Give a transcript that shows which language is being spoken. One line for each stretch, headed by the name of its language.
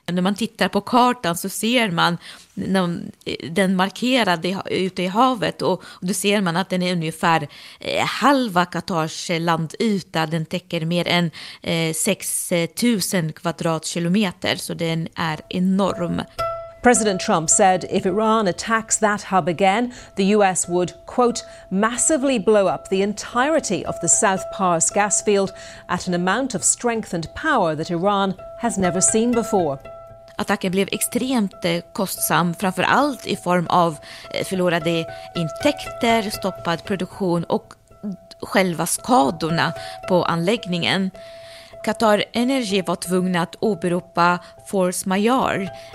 Swedish: När man tittar på kartan så ser man den markerad ute i havet och då ser man att den är ungefär halva Katars landyta. Den täcker mer än 6000 kvadratkilometer, så den är enorm.
English: President Trump said if Iran attacks that hub again, the US would, quote, massively blow up the entirety of the South Pars gas field at an amount of strength and power that Iran has never seen before.
Swedish: Attacken blev extremt kostsam, framför allt i form av förlorade intäkter, stoppad produktion och själva skadorna på anläggningen. Qatar Energy var tvungna att åberopa force majeure.